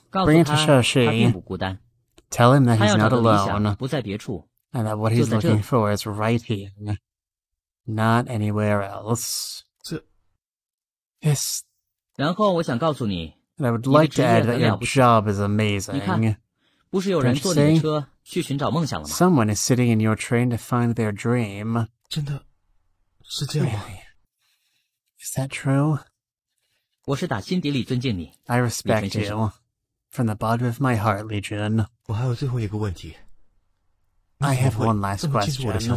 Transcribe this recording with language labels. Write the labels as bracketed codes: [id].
[en] Bring it to Shashi. Tell him that he's not alone. And that what he's looking for is right here. Not anywhere else. This. [zh] 然后我想告诉你 [en] And I would like to add that your job is amazing. [zh] 不是有人坐你的车去寻找梦想了吗 [en] Someone is sitting in your train to find their dream. [zh] 真的是这样吗 [en] Is that true? [zh] 我是打心底里尊敬你 [en] I respect you. From the bottom of my heart, Lee Jun. [zh] 我还有最后一个问题 [en] I have one last question.